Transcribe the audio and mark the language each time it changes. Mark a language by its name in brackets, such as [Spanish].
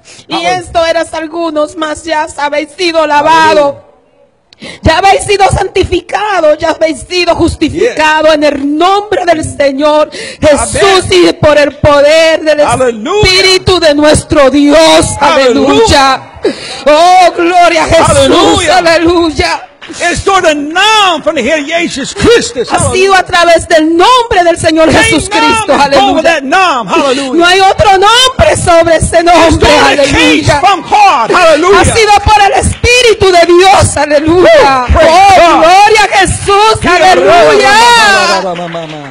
[Spanish] Y esto eras algunos, mas ya habéis sido lavado. Ya habéis sido santificado, ya habéis sido justificado en el nombre del Señor Jesús y por el poder del Espíritu de nuestro Dios. Aleluya. Oh, gloria a Jesús. Aleluya. [English] It's through the name from the head of Jesus Christ. [Spanish] Ha sido a través del nombre del Señor Jesucristo. Aleluya. No hay otro nombre sobre ese nombre. Aleluya. Ha sido por el Espíritu de Dios. Aleluya. Oh, gloria a Jesús. Aleluya.